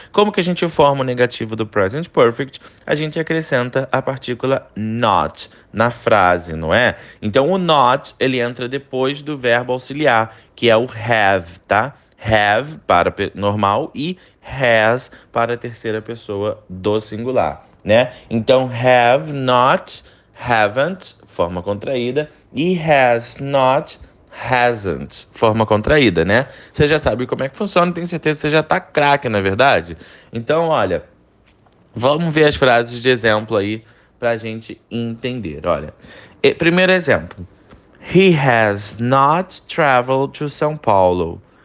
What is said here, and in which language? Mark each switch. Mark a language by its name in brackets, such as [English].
[Portuguese] Como que a gente forma o negativo do present perfect? A gente acrescenta a partícula not na frase, não é? Então o not, ele entra depois do verbo auxiliar, que é o have, tá? Have para normal e has para terceira pessoa do singular, né? Então have not, haven't, forma contraída, e has not, hasn't, forma contraída, né? Você já sabe como é que funciona, tenho certeza que você já tá craque, não é verdade? Então, olha, vamos ver as frases de exemplo aí pra gente entender. Olha, primeiro exemplo. [English] He has not traveled to São Paulo.